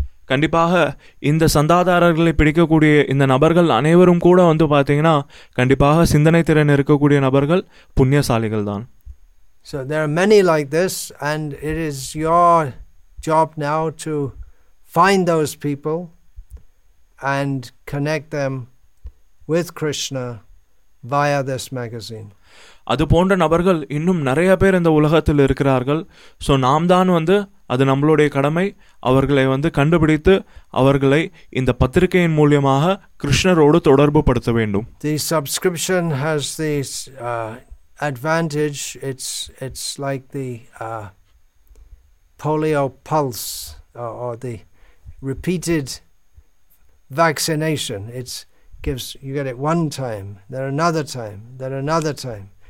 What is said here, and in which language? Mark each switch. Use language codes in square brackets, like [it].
[ta] கண்டிப்பாக இந்த சந்தாதாரர்களை பிடிக்கக்கூடிய இந்த நபர்கள் அனைவரும் கூட வந்து பார்த்தீங்கன்னா கண்டிப்பாக சிந்தனை திறன் இருக்கக்கூடிய நபர்கள், புண்ணியசாலிகள் தான். [en] So there are many like this, and it is your job now to find those people and connect them with Krishna via this magazine. [ta] அது போன்ற நபர்கள் இன்னும் நிறைய பேர் இந்த உலகத்தில் இருக்கிறார்கள். ஸோ நாம் தான் வந்து அது நம்மளுடைய கடமை அவர்களை வந்து கண்டுபிடித்து அவர்களை இந்த பத்திரிகையின் மூலமாக கிருஷ்ணரோடு தொடர்பு படுத்த வேண்டும். [en] The subscription has the advantage, it's like the polio pulse or the repeated vaccination. You get it one time, then another time, then another time.